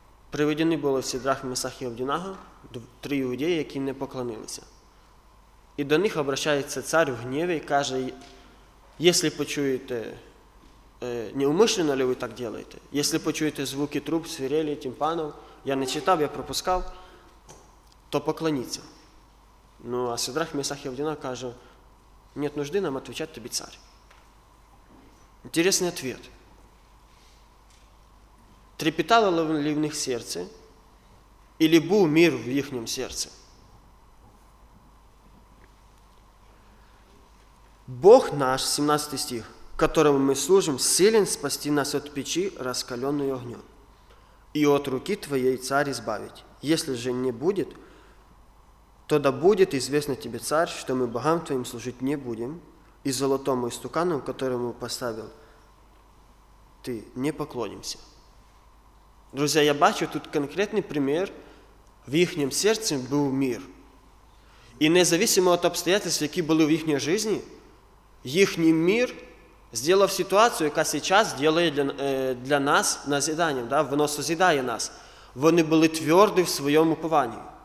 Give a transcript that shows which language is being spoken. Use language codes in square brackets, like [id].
[uk] Приведені були Сидрах, Месах і Авдінаго, три іудеї, які не поклонилися. І до них обращається цар в гніві і каже, якщо почуєте, неумишлено ли ви так робите, якщо почуєте звуки труб, свирелі, тимпанів, я не читав, я пропускав, то поклоніться. Ну, а Сидрах, Месах і Авдінаго каже, [ru] нет нужды нам отвечать тебе, царь. Интересный ответ. Трепетало ли в них сердце? Или был мир в их сердце? Бог наш, 17 стих, которому мы служим, силен спасти нас от печи, раскаленной огнем, и от руки твоей, царь, избавить. Если же не будет, то да будет известно тебе, царь, что мы богам твоим служить не будем, и золотому истукану, которому поставил ты, не поклонимся. Друзья, я [uk] бачу тут [ru] конкретный пример. [uk] В їхньому серці був мир. І независимо від обстоятельств, які були в їхній житті, їхній мир зробив ситуацію, яка зараз діє для нас назиданням, да? Воно созидає нас. Вони були тверді в своєму упованні.